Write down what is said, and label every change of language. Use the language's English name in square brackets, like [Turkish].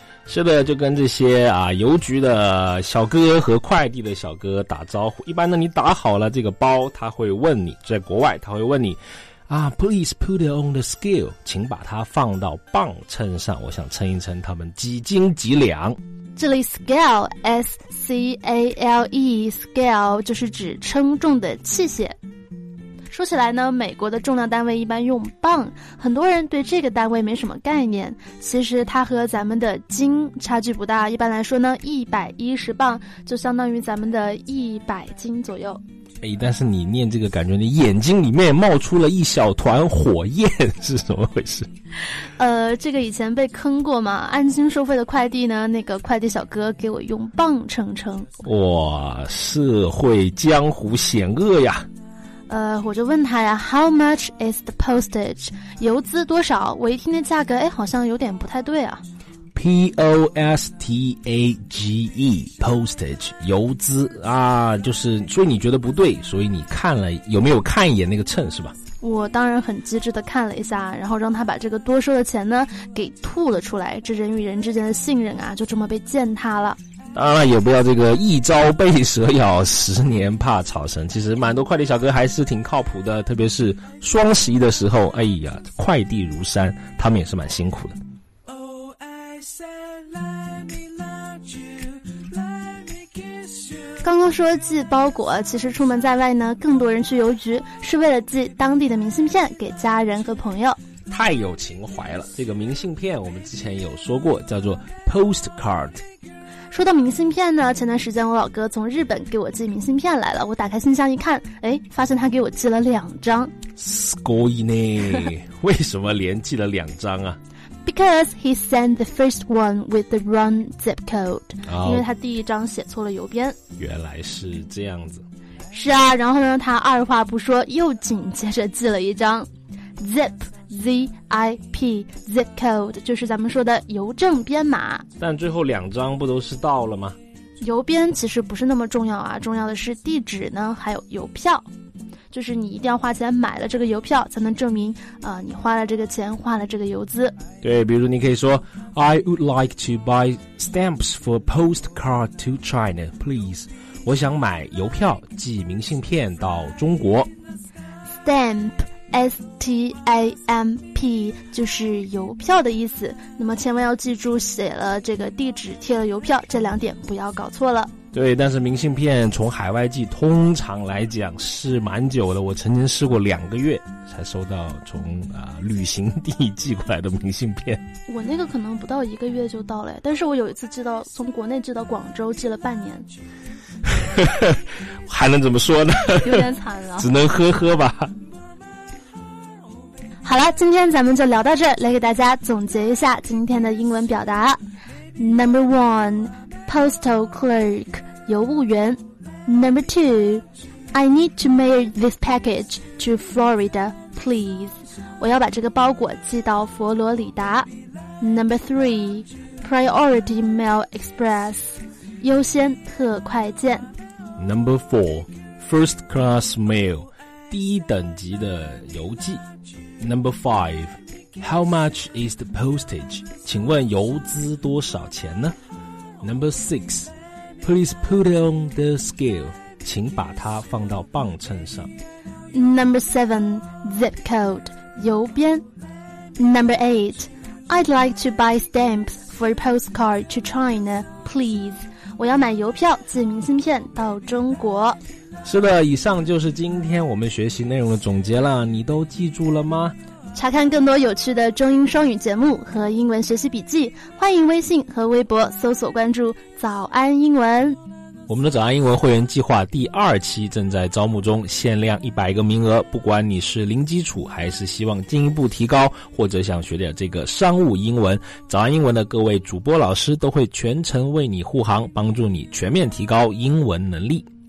[Chinese] 是的，就跟这些啊邮局的小哥和快递的小哥打招呼。一般呢，你打好了这个包，他会问你，在国外他会问你啊 ， [English] please put it on the scale， [Chinese] 请把它放到磅秤上，我想称一称他们几斤几两。这里 scale s c a l e scale 就是指称重的器械。说起来呢，美国的重量单位一般用磅，很多人对这个单位没什么概念。其实它和咱们的斤差距不大，一般来说呢，110磅就相当于咱们的100斤左右。哎，但是你念这个感觉，你眼睛里面冒出了一小团火焰，是怎么回事？这个以前被坑过嘛，按斤收费的快递呢，那个快递小哥给我用磅称称。哇，社会江湖险恶呀。我就问他呀 [English] ，How much is the postage？ [Chinese] 邮资多少？我一听那价格，哎，好像有点不太对啊。 postage， postage， 邮资啊，就是，所以你觉得不对，所以你看了有没有看一眼那个秤是吧？我当然很机智的看了一下，然后让他把这个多收的钱呢给吐了出来。这人与人之间的信任啊，就这么被践踏了。当然也不要这个一朝被蛇咬，十年怕草绳。其实蛮多快递小哥还是挺靠谱的，特别是双十一的时候，哎呀，快递如山，他们也是蛮辛苦的。刚刚说寄包裹，其实出门在外呢，更多人去邮局是为了寄当地的明信片给家人和朋友。太有情怀了，这个明信片我们之前有说过，叫做 postcard。说到明信片呢，前段时间我老哥从日本给我寄明信片来了，我打开信箱一看，哎，发现他给我寄了两张。 Scoy呢？为什么连寄了两张啊？ [English] Because he sent the first one with the wrong zip code， [Chinese] 因为他第一张写错了邮编。原来是这样子。是啊，然后呢，他二话不说，又紧接着寄了一张 zip。 ZIP zip code 就是咱们说的邮政编码，但最后两张不都是到了吗？邮编其实不是那么重要啊，重要的是地址呢，还有邮票，就是你一定要花钱买了这个邮票，才能证明你花了这个钱，花了这个邮资。对，比如你可以说 [English] I would like to buy stamps for postcard to China please， [Chinese] 我想买邮票寄明信片到中国。 stampS-T-A-M-P 就是邮票的意思，那么千万要记住写了这个地址贴了邮票，这两点不要搞错了。对，但是明信片从海外寄通常来讲是蛮久的，我曾经试过两个月才收到从旅行地寄过来的明信片。我那个可能不到一个月就到了，但是我有一次寄到从国内寄到广州寄了半年。还能怎么说呢？有点惨了。只能呵呵吧。好了，今天咱们就聊到这儿，来给大家总结一下今天的英文表达。 [English] Number one, postal clerk, [Chinese] 邮务员。 [English] Number two, I need to mail this package to Florida, please. [Chinese] 我要把这个包裹寄到佛罗里达。 [English] Number three, priority mail express, [Chinese] 优先特快件。 [English] Number four, first class mail, [Chinese] 第一等级的邮寄。 [English] Number five, how much is the postage? [Chinese] 请问邮资多少钱呢？ [English] Number six, please put it on the scale. [Chinese] 请把它放到磅秤上。 [English] Number seven, zip code, 邮编。 Number eight, I'd like to buy stamps for a postcard to China, please. [Chinese] 我要买邮票寄明信片到中国。是的，以上就是今天我们学习内容的总结了，你都记住了吗？查看更多有趣的中英双语节目和英文学习笔记，欢迎微信和微博搜索关注早安英文。我们的早安英文会员计划第二期正在招募中，限量100个名额，不管你是零基础还是希望进一步提高，或者想学点这个商务英文，早安英文的各位主播老师都会全程为你护航，帮助你全面提高英文能力。